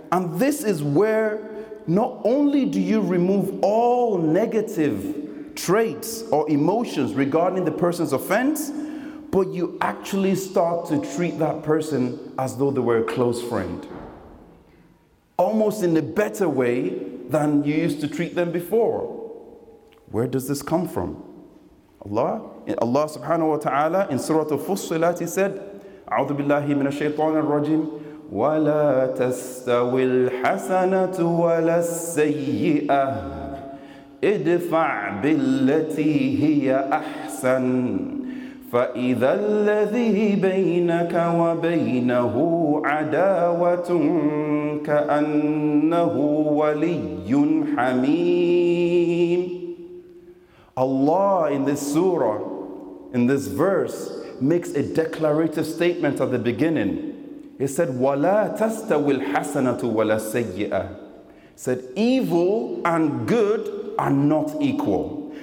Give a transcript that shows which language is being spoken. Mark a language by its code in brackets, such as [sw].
[en] And this is where not only do you remove all negative traits or emotions regarding the person's offense, but you actually start to treat that person as though they were a close friend. Almost in a better way than you used to treat them before. Where does this come from? [ar] Allah subhanahu wa ta'ala in Surah Al-Fussilat, he said, أعوذ بالله من الشيطان الرجيم ولا تستوي الحسنة ولا السيئة ادفع بالتي هي أحسن فَإِذَا الَّذِي بَيْنَكَ وَبَيْنَهُ عَدَاوَةٌ كَأَنَّهُ وَلِيٌّ حَمِيمٌ. [en] Allah in this surah, in this verse, makes a declarative statement at the beginning. [ar] He said, وَلَا تَسْتَوِي الْحَسَنَةُ وَلَا السَّيِّئَةُ. [en] He said, evil and good are not equal.